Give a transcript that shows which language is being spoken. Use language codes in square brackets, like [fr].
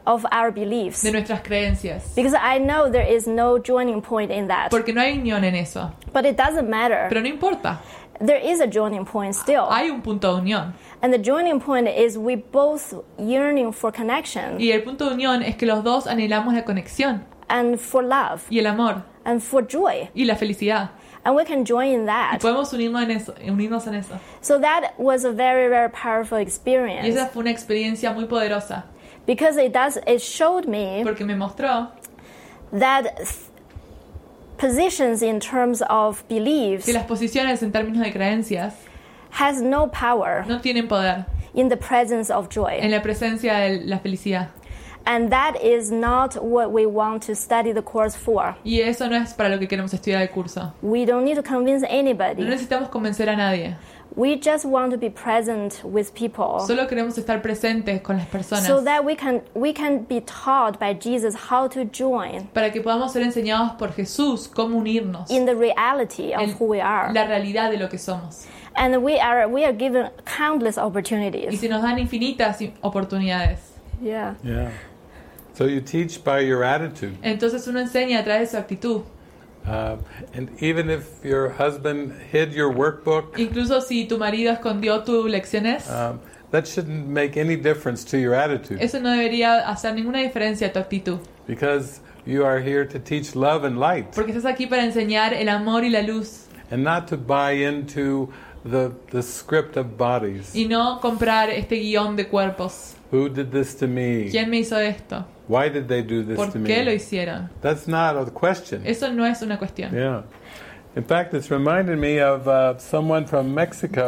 [en] Of our beliefs. [es] De nuestras creencias. [en] Because I know there is no joining point in that. [es] Porque no hay unión en eso. [en] But it doesn't matter. [es] Pero no importa. [en] There is a joining point still. [es] Hay un punto de unión. [en] And the joining point is we both yearning for connection. [es] Y el punto de unión es que los dos anhelamos la conexión. [en] And for love. [es] Y el amor. [en] And for joy. [es] Y la felicidad. [en] And we can join in that. [es] Y podemos unirnos en eso. [en] So that was a very, very powerful experience. [es] Y esa fue una experiencia muy poderosa. [en] Because it showed me. [es] Porque me mostró. [en] That positions in terms of beliefs. [es] Que las posiciones en términos de creencias. [en] Has no power. [es] No tienen poder. [en] In the presence of joy. [es] En la presencia de la felicidad. [en] And that is not what we want to study the course for. [es] Y eso no es para lo que queremos estudiar el curso. [en] We don't need to convince anybody. [es] No necesitamos convencer a nadie. [en] We just want to be present with people. [es] Solo queremos estar presentes con las personas. [en] So that we can be taught by Jesus how to join. [es] Para que podamos ser enseñados por Jesús cómo unirnos. [en] In the reality of who we are. [es] La realidad de lo que somos. [en] And we are given countless opportunities. [es] Y se nos dan infinitas oportunidades. [en] Yeah. Yeah. So you teach by your attitude. [es] Entonces uno enseña a través de su actitud. [en] And even if your husband hid your workbook, [es] incluso si tu marido escondió tus lecciones, [en] that shouldn't make any difference to your attitude. [es] Eso no debería hacer ninguna diferencia a tu actitud. [en] Because you are here to teach love and light. [es] Porque estás aquí para enseñar el amor y la luz. [en] And not to buy into the script of bodies. [es] Y no comprar este guión de cuerpos. [en] Who did this to me? [es] ¿Quién me hizo esto? [en] Why did they do this to me? [es] ¿Por qué lo hicieron? [en] That's not a question. [es] Eso no es una cuestión. [en] Yeah. In fact, it's reminded me of someone from Mexico.